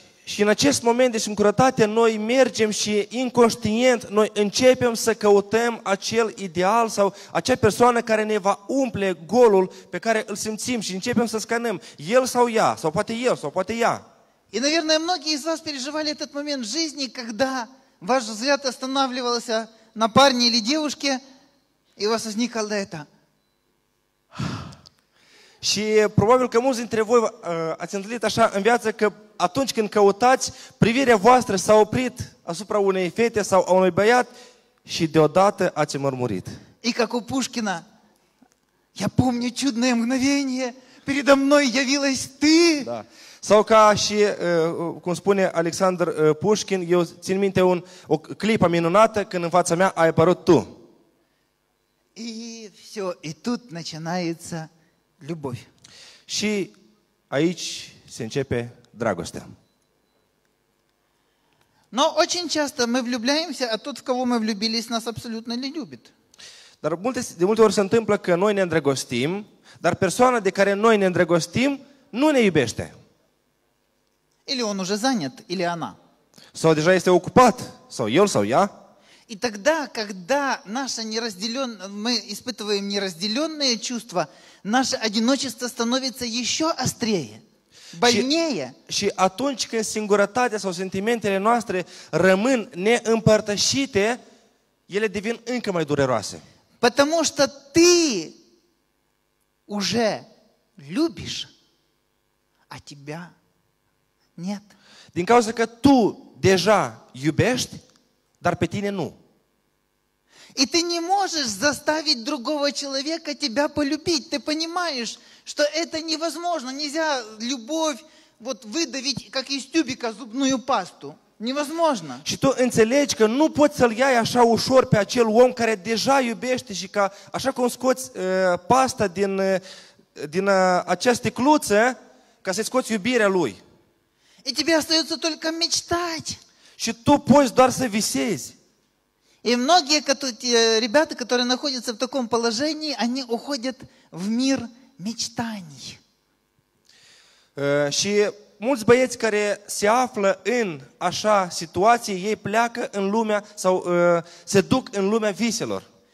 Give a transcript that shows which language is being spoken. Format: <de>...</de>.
<ro>Și în acest moment de singurătate noi mergem și inconștient noi începem să căutăm acel ideal sau acea persoană care ne va umple golul pe care îl simțim și începem să scanăm el sau ea, sau poate el, sau poate ea.</ro> <ru>И, наверное, многие из вас переживали этот момент в жизни, когда ваш взгляд останавливался на парне или девушке, и у вас возникало это.</ru> <ro>Și probabil că mulți dintre voi ați întâlnit așa în viață că atunci când căutați, privirea voastră s-a oprit asupra unei fete sau a unui băiat și deodată ați murmurit.</ro> <ru>И как у Пушкина, я помню чудное мгновение, передо мной явилась ты.</ru> <ro>Da. Sau ca și, cum spune Alexander Pushkin, eu țin minte o clipă minunată când în fața mea ai apărut tu.</ro> <ru>И все, и тут начинается любовь.</ru> <ro>Și aici se începe dragostea.</ro> <ru>Но очень часто мы влюбляемся, а тот, в кого мы влюбились, нас абсолютно не любит.</ru> <ro>Dar de multe ori se întâmplă că noi ne îndrăgostim, dar persoana de care noi ne îndrăgostim nu ne iubește.</ro> <ru>Или он уже занят, или она.</ru> <ro>Sau deja este ocupat, sau el, sau ea.</ro> <ru>И тогда, когда мы испытываем неразделенные чувства, наше одиночество становится еще острее, больнее.</ru> <ro>Și atunci când singurătatea sau sentimentele noastre rămân neîmpărtășite, ele devin încă mai dureroase.</ro> <ru>Потому что ты уже любишь, а тебя нет.</ru> <ro>Din cauza că tu deja iubești, dar pe tine nu.</ro> <ru>И ты не можешь заставить другого человека тебя полюбить. Ты понимаешь, что это невозможно. Нельзя любовь вот выдавить, как из тюбика, зубную пасту. Невозможно.</ru> <ro>Și tu înțelegi că nu poți să-l iai așa ușor pe acel om care deja iubește și ca, așa cum scoți pasta din această sticluță, ca să-ți scoți iubirea lui.</ro> <ru>И тебе остается только мечтать.</ru> <ro>Și tu poți doar să visezi.</ro> <ru>И многие ребята, которые находятся в таком положении, они уходят в мир мечтаний.</ru> <ro>Și mulți băieți care se află în așa situație, ei pleacă în lumea sau se duc în lumea viselor.</ro>